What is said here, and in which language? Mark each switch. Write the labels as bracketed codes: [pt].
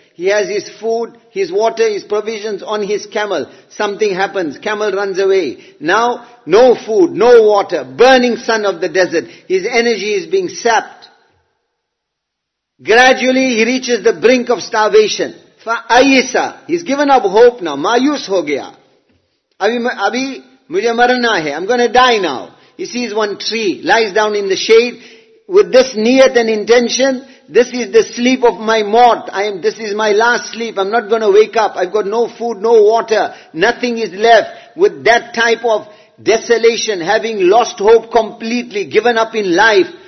[en] He has his food, his water, his provisions on his camel. Something happens. Camel runs away. Now, no food, no water. Burning sun of the desert. His energy is being sapped. Gradually, he reaches the brink of starvation. [ar] فَأَيْسَ. [en] He's given up hope now. [ur] مَايُوس ہو گیا. Abhi, مجھے مرنا ہے. [en] I'm going to die now. He sees one tree, lies down in the shade. With this niyat and intention, this is the sleep of my mort. This is my last sleep. I'm not going to wake up. I've got no food, no water. Nothing is left. With that type of desolation, having lost hope completely, given up in life.